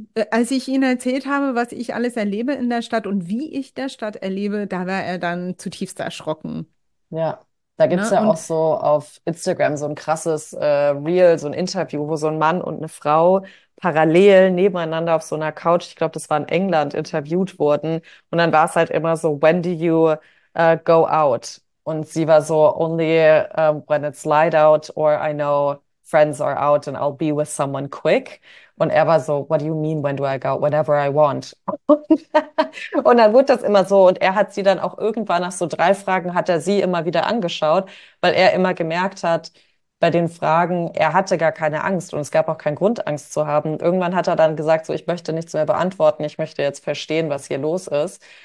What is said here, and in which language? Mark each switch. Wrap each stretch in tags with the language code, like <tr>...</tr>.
<de>Als ich ihm erzählt habe, was ich alles erlebe in der Stadt und wie ich der Stadt erlebe, da war er dann zutiefst erschrocken. Ja, da gibt es Ne? ja auch Und so auf Instagram so ein krasses Reel, so ein Interview, wo so ein Mann und eine Frau parallel nebeneinander auf so einer Couch, ich glaube, das war in England, interviewt wurden. Und dann war es halt immer so,</de> <en>when do you go out?</en> <de>Und sie war so,</de> <en>only when it's light out or I know friends are out and I'll be with someone quick.</en> <de>Und er war so,</de> <en>what do you mean, when do I go? Whenever I want.</en> <de>Und dann wurde das immer so. Und er hat sie dann auch irgendwann nach so drei Fragen, hat er sie immer wieder angeschaut, weil er immer gemerkt hat, bei den Fragen, er hatte gar keine Angst und es gab auch keinen Grund, Angst zu haben. Irgendwann hat er dann gesagt, so, ich möchte nichts mehr beantworten, ich möchte jetzt verstehen, was hier los ist.</de>